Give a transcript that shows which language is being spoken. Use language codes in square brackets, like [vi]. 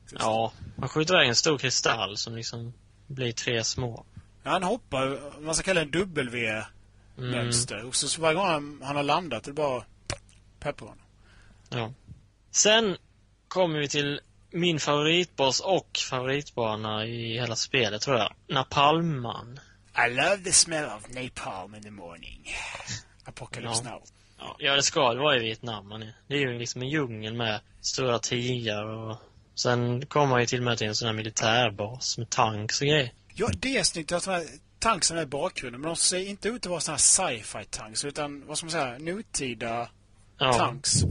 [sv] Ja, man skjuter iväg en stor kristall som liksom blir tre små. Ja, han hoppar, man ska kalla det en W-mönster. Och så varje gång han har landat, det är bara peppar honom. Ja. Sen kommer vi till min favoritboss och favoritbana i hela spelet, tror jag. Napalmman. [en] I love the smell of napalm in the morning. Apocalypse Now. [sv] Ja, det ska det vara i Vietnam. Det är ju liksom en djungel med stora tigrar. Och sen kommer ju till och med till en sån här militärbas med tanks och grejer. Ja, det är snyggt att de här tankarna är i bakgrunden. Men de ser inte ut att vara sådana här sci-fi tanks, utan vad ska man säga, nutida tanks